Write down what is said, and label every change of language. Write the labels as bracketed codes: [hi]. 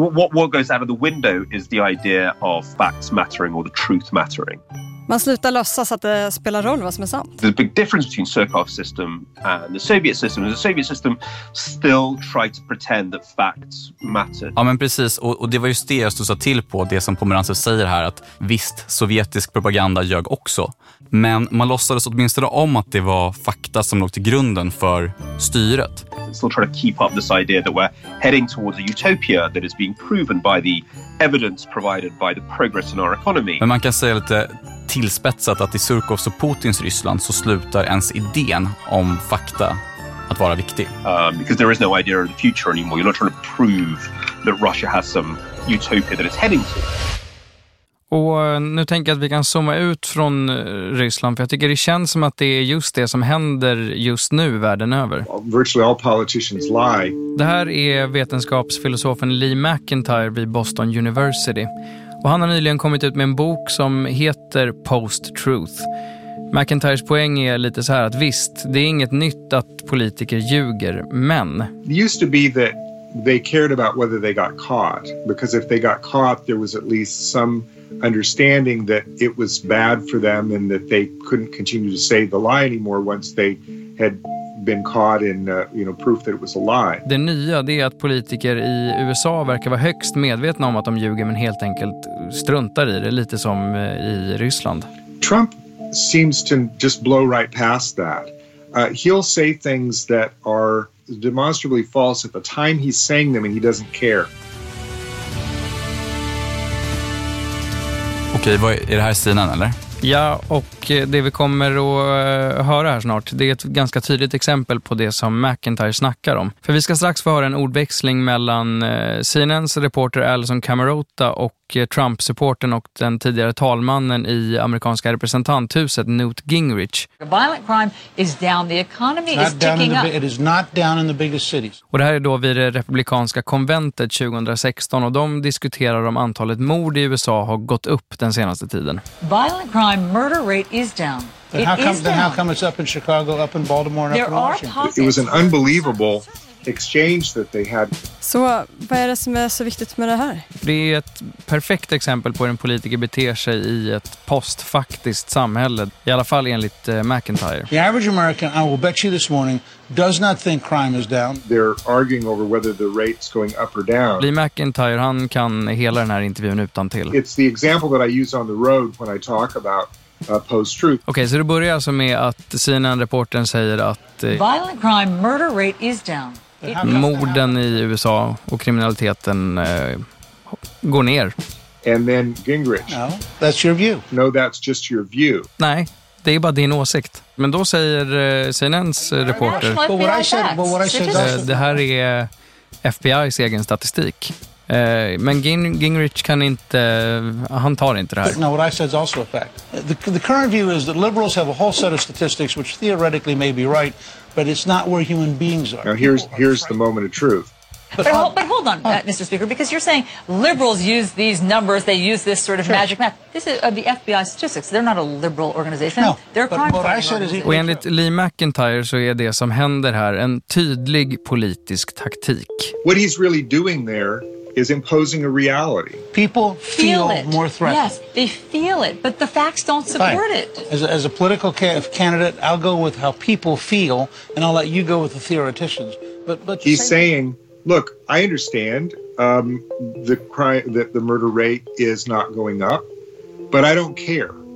[en] What goes out of the window is the idea of facts mattering or the truth mattering. [sv] Man slutar låtsas att det spelar roll vad som är sant. [en] The big difference between Surkov's system and the Soviet system is the Soviet system still tried to pretend that facts mattered. [sv] Ja, men precis, och det var just det jag stod till på, det som Pomerantsev säger här, att visst, sovjetisk propaganda ljög också. Men man låtsades åtminstone om att det var fakta som låg till grunden för styret. [en] Still trying to keep up this idea that we're heading towards a utopia that is being proven by the evidence provided by the progress in our economy. [sv] Men man kan säga lite tillspetsat att i Surkovs och Putins Ryssland så slutar ens idén om fakta att vara viktig. [en] Because there is no idea of the future anymore. You're not trying to prove that Russia has some utopia that it's heading to. [sv] Och nu tänker jag att vi kan zooma ut från Ryssland, för jag tycker det känns som att det är just det som händer just nu världen över. [en] Virtually all politicians lie. [sv] Det här är vetenskapsfilosofen Lee McIntyre vid Boston University. Och han har nyligen kommit ut med en bok som heter Post-Truth. McIntyres poäng är lite så här att visst, det är inget nytt att politiker ljuger, men [en] it used to be that they cared about whether they got caught, because if they got caught there was at least some understanding that it was bad for them and that they couldn't continue to say the lie anymore once they had been caught in you know, proof that it was a lie. [sv] Det nya är att politiker i USA verkar vara högst medvetna om att de ljuger men helt enkelt struntar i det, lite som i Ryssland. [en] Trump seems to just blow right past that. He'll say things that are demonstrably false at the time he's saying them and he doesn't care. [sv] Okej, vad är det här sidan eller? Ja, och det vi kommer att höra här snart, det är ett ganska tydligt exempel på det som McIntyre snackar om. För vi ska strax få höra en ordväxling mellan CNNs reporter Alison Camerota och Trump-supporten och den tidigare talmannen i amerikanska representanthuset Newt Gingrich. [en] Violent crime is down. The economy is ticking up. It is not down in the biggest cities. [sv] Och det här är då vid det republikanska konventet 2016 och de diskuterar om antalet mord i USA har gått upp den senaste tiden. [en] Violent crime murder rate is down. Then how come it's up in Chicago, up in Baltimore, and up in Washington? It was an unbelievable exchange that they had. [sv] Så vad är det som är så viktigt med det här? Det är ett perfekt exempel på hur en politiker beter sig i ett postfaktiskt samhälle, i alla fall enligt McIntyre. [en] The average American, I will bet you this morning, does not think crime is down. They're arguing over whether the rate's going up or down. [sv] Lee McIntyre, han kan hela den här intervjun utan till. [en] It's the example that I use on the road when I talk about post-truth. [sv] Okej, okay, så det börjar alltså med att CNN-reporten säger att [en] violent crime murder rate is down. [sv] Morden i USA och kriminaliteten går ner. [en] And then Gingrich. No, that's your view. No, that's just your view. [sv] Nej, det är bara din åsikt. Men då säger CNNs reporter, det här är FBI:s egen statistik. Men Gingrich kan inte, han tar inte det här. [en] No, what I said is also a fact. The current view is that liberals have a whole set of statistics which theoretically may be right, but it's not where human beings are. Now here's the moment of truth. But hold on, Mr. Speaker, because you're saying liberals use these numbers, they use this sort of magic math. This is the FBI statistics. They're not a liberal organization. No, they're a crime-fighting organization. [sv] Och enligt Lee McIntyre så är det som händer här en tydlig politisk taktik. [en] What he's really doing there is imposing a reality. People feel it. More threatened. Yes, they feel it, but the facts don't support it. As a political candidate, I'll go with how people feel, and I'll let you go with the theoreticians. But he's saying, look, I understand the murder rate is not going up, but I don't care.